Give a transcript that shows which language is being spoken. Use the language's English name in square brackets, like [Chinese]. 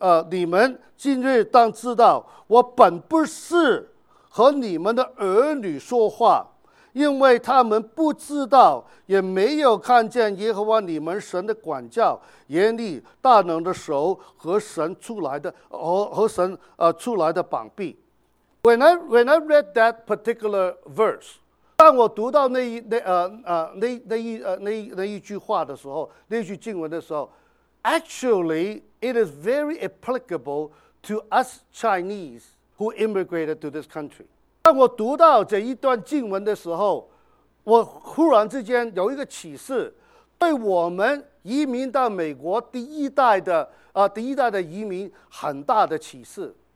[Chinese] 你们今日当知道，我本不是和你们的儿女说话。因为他们不知道，也没有看见耶和华你们神的管教、严厉、大能的手和神出来的出来的膀臂。 [English] When I read that particular verse, [Chinese] 当我读到那一句话的时候，那句经文的时候 [English] ，actually it is very applicable to us Chinese who immigrated to this country. [Chinese] 当我读到这一段经文的时候，我忽然之间有一个启示，对我们移民到美国第一代的移民很大的启示。